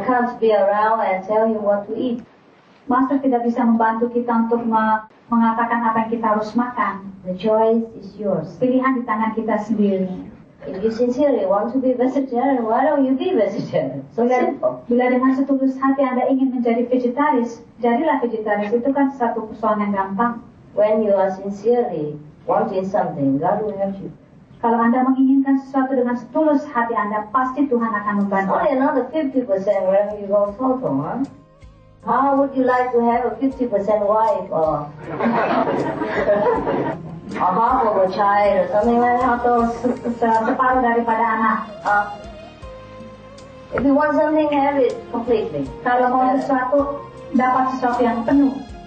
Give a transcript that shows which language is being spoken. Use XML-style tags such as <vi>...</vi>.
<en>can't be around and tell him what to eat.</en> <id>Master tidak bisa membantu kita untuk mengatakan apa yang kita harus makan.</id> <en>The choice is yours.</en> <id>Pilihan di tangan kita sendiri.</id> <en>If you sincerely want to be vegetarian, why don't you be vegetarian? So simple.</en> <id>Bila dengan setulus hati Anda ingin menjadi vegetaris, jadilah vegetaris. Itu kan satu persoalan yang gampang.</id> <en>When you are sincerely wanting something, God will help you.</en> <id>Kalau Anda menginginkan sesuatu dengan setulus hati Anda, pasti Tuhan akan membantu.</id> <en>Only another 50% when you go photo, huh? How would you like to have a 50% wife or a half of a child or something like that?</en> <id>Atau separuh daripada anak.</id> <en>If you want something, have it completely.</en> <id>Kalau mau sesuatu, dapat sesuatu yang penuh.</id>